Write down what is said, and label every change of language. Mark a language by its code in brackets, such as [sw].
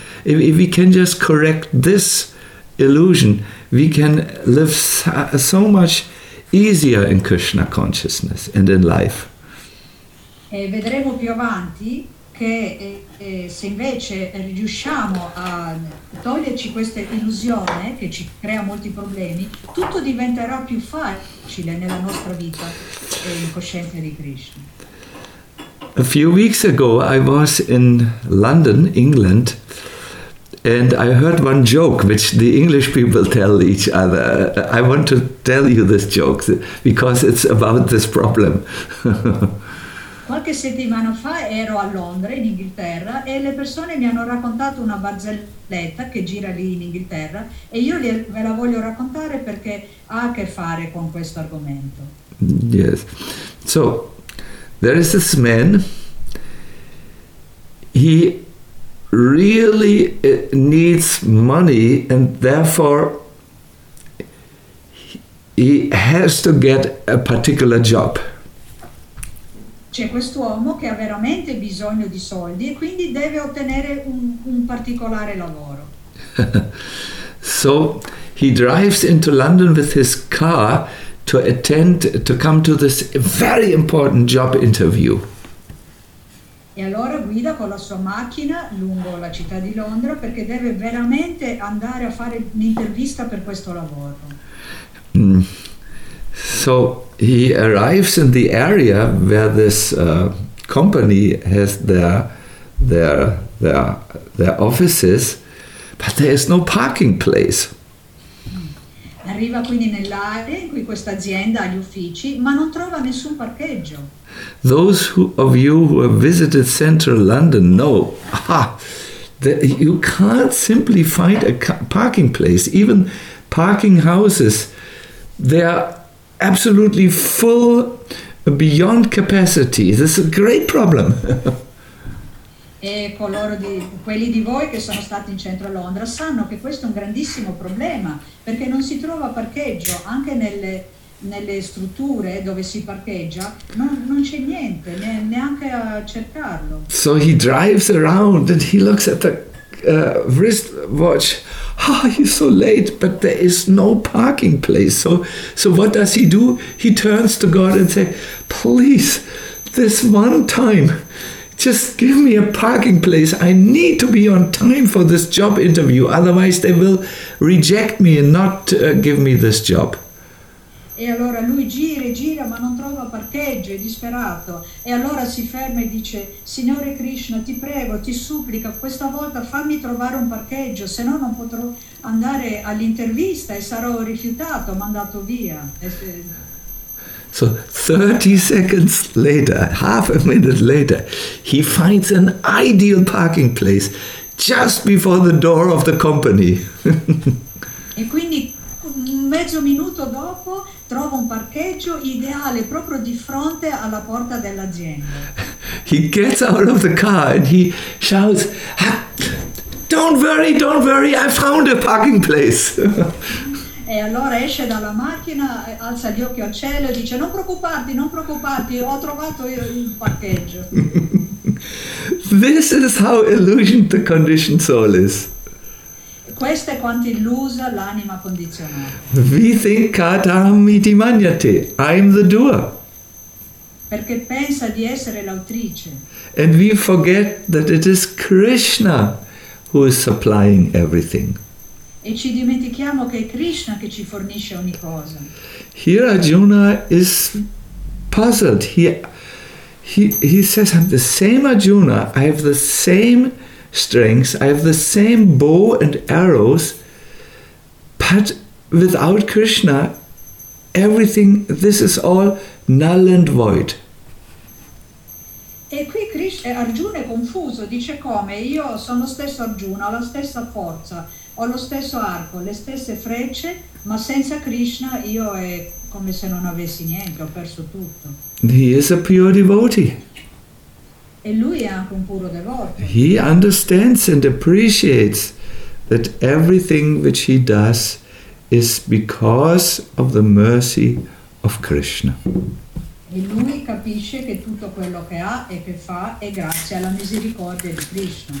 [en] If we can just correct this illusion, we can live so much easier in Krishna consciousness and in life. [it] E vedremo più avanti che se invece riusciamo a toglierci questa illusione che ci crea molti problemi, tutto diventerà più facile nella nostra vita incosciente di Krishna. [en] A few weeks ago I was in London, England, and I heard one joke which the English people tell each other. I want to tell you this joke because it's about this problem. [it] Qualche settimana fa ero a Londra, in Inghilterra, e le persone mi hanno raccontato una barzelletta che gira lì in Inghilterra e io ve la voglio raccontare perché ha a che fare con questo argomento. [en] Yes. So, there is this man, he really needs money and therefore he has to get a particular job. [it] C'è quest'uomo che ha veramente bisogno di soldi e quindi deve ottenere un particolare lavoro. [en] So he drives into London with his car to attend, to come to this very important job interview. [it] E allora guida con la sua macchina lungo la città di Londra perché deve veramente andare a fare un'intervista per questo lavoro. [en] So he arrives in the area where this company has their offices, but there is no parking place. [it] Arriva quindi nell'area in cui questa azienda ha gli uffici, ma non trova nessun parcheggio. [en] Those who, of you who have visited central London know that you can't simply find a parking place. Even parking houses, they are absolutely full beyond capacity. This is a great problem. [it] E quelli di voi che sono stati in centro a Londra sanno che questo è un grandissimo problema perché non si trova parcheggio anche nelle strutture dove si parcheggia, non c'è niente, neanche a cercarlo. [en] So he drives around and he looks at the wristwatch. He's so late, but there is no parking place. So what does he do? He turns to God and says, please, this one time, just give me a parking place. I need to be on time for this job interview. Otherwise, they will reject me and not give me this job. [it] E allora lui gira e gira, ma non trova parcheggio, è disperato. E allora si ferma e dice: Signore Krishna, ti prego, ti supplico, questa volta fammi trovare un parcheggio, se no non potrò andare all'intervista e sarò rifiutato, mandato via. [en] So 30 seconds later, half a minute later, he finds an ideal parking place just before the door of the company. [it] E quindi un mezzo minuto dopo trova un parcheggio ideale proprio di fronte alla porta dell'azienda. [en] He gets out of the car and he shouts, don't worry, I found a parking place. [it] E allora esce dalla macchina, alza gli occhi al cielo e dice: non preoccuparti, ho trovato il parcheggio. [en] This is how illusioned the conditioned soul is. [it] Questa è quanto illusa l'anima condizionata. [en] We think [sa] kataham iti manyate, [en] I'm the doer. [it] Perché pensa di essere l'autrice. [en] And we forget that it is Krishna who is supplying everything. [it] E ci dimentichiamo che è Krishna che ci fornisce ogni cosa. [en] Here Arjuna is puzzled. He says, I'm the same Arjuna, I have the same strengths, I have the same bow and arrows, but without Krishna, everything, this is all null and void. [it] E qui Arjuna è confuso, dice: come? Io sono lo stesso Arjuna, ho la stessa forza, ho lo stesso arco, le stesse frecce, ma senza Krishna io è come se non avessi niente, ho perso tutto. [en] He is a pure devotee. [it] E lui è anche un puro devoto. [en] He understands and appreciates that everything which he does is because of the mercy of Krishna. [it] E lui capisce che tutto quello che ha e che fa è grazie alla misericordia di Krishna.